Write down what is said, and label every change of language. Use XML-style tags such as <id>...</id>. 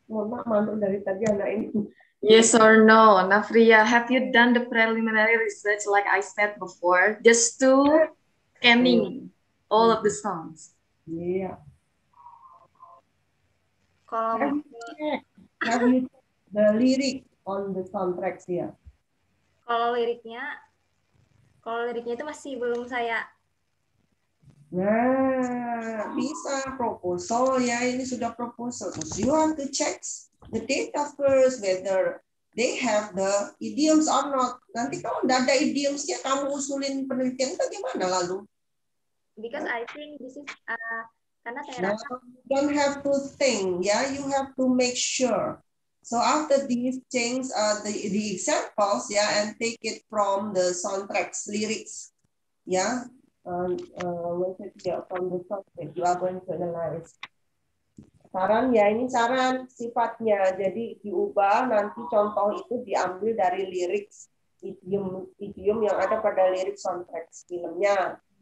<id>Mohon maaf dari tadi anak ini.</id> <en>Yes or no, Nafria? Have you done the preliminary research like I said before, just to scanning all of the songs? Yeah.</en> <id>Kalau</id> <en>lirik on the soundtrack ya.</en> <id>Kalau liriknya itu masih belum saya. Nah, bisa proposal ya. Ini sudah proposal.</id> <en>Do you want to check the data first whether they have the idioms or not?</en> <id>Nanti kalau tidak ada idiomsnya, kamu usulin penelitian itu gimana lalu?</id> <en>Because I think this is</en> <id>karena saya</id> <en>rasa. You don't have to think, yeah. You have to make sure. So after these things, the examples, yeah, and take it from the soundtracks lyrics, yeah. From the soundtrack, you are going to analyze.</en> <id>Saran ya, ini saran sifatnya. Jadi diubah nanti contoh itu diambil dari lirik idiom yang ada pada lirik soundtrack filmnya.</id>